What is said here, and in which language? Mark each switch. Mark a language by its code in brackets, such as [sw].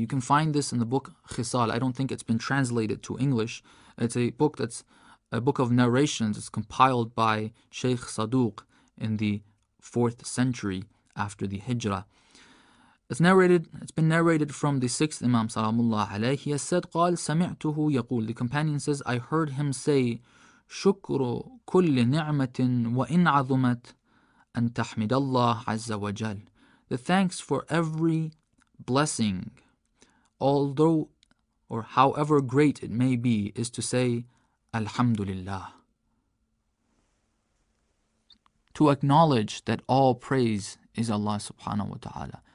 [en] You can find this in the book Khisal. I don't think it's been translated to English. It's a book that's a book of narrations. It's compiled by Shaykh Saduq in the 4th century after the Hijrah. It's been narrated from the 6th Imam salamullah alayhi. He has said, [ar] قال سمعته يقول. [en] The companion says, I heard him say, [ar] شكر كل نعمة وإن عظمت أن تحمد الله عز وجل. [en] The thanks for every blessing, although or however great it may be, is to say Alhamdulillah, to acknowledge that all praise is Allah subhanahu wa ta'ala.